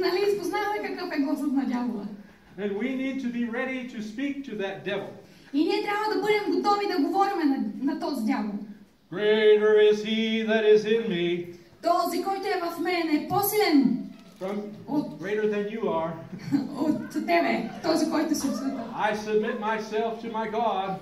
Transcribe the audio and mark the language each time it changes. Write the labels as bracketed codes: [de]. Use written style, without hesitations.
[bg] Нали спознаваме какъв е гласът на дявола. [en] And we need to be ready to speak to that devil. [bg] И ние трябва да бъдем готови да говорим на този дявол. [en] Greater is he that is in me. [bg] Този, който е в мен, е по-силен. [en] Greater than you are. [bg] От тебе, този, който си в света. [en] I submit myself to my God.